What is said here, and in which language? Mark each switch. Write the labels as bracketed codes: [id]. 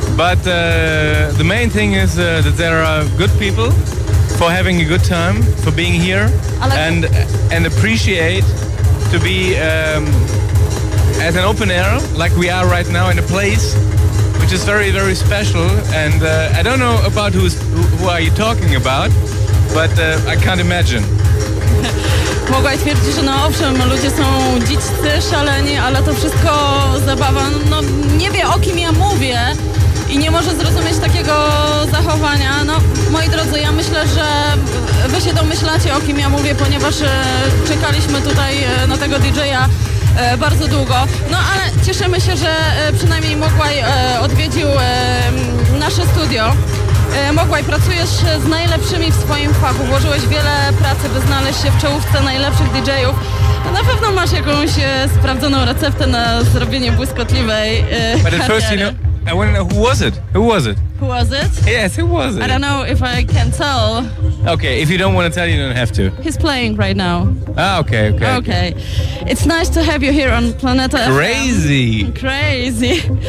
[en] But the main thing is that there are good people for having a good time, for being here, and appreciate to be as an open air like we are right now in a place which is very, very special. And I don't know about who are you talking about, but I can't imagine. [pl] Mogłaś twierdzić, że no owszem, ludzie są dziccy, szaleni, ale to wszystko zabawa. No nie wie, o kim ja mówię i nie może zrozumieć takiego zachowania. No moi drodzy, ja myślę, że wy się domyślacie, o kim ja mówię, ponieważ czekaliśmy tutaj na tego DJ-a bardzo długo. No ale cieszymy się, że przynajmniej Mogwai odwiedził nasze studio. Mogwai, pracujesz z najlepszymi w swoim fachu. Włożyłeś wiele pracy, by znaleźć się w czołówce najlepszych DJ-ów. Na pewno masz jakąś sprawdzoną receptę na zrobienie błyskotliwej kariery. [en] But at first, you know, I want to know, who was it? Who was it? Yes, who was it? I don't know if I can tell. Okay, if you don't want to tell, you don't have to. He's playing right now. Ah, okay. Okay. It's nice to have you here on Planeta FM. Crazy.